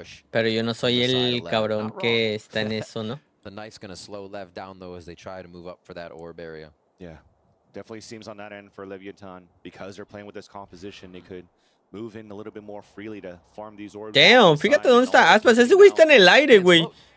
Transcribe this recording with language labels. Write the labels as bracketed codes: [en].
[es] Pero yo no soy el cabrón que está en eso, ¿no? [en] The knife's gonna slow Lev down though as they try to move up for that orb area. Yeah, definitely seems on that end for Leviathan because they're playing with this composition, they could move in a little bit more freely to farm these orbs. [es] Damn, fíjate dónde está Aspas, ese güey está en el aire, güey.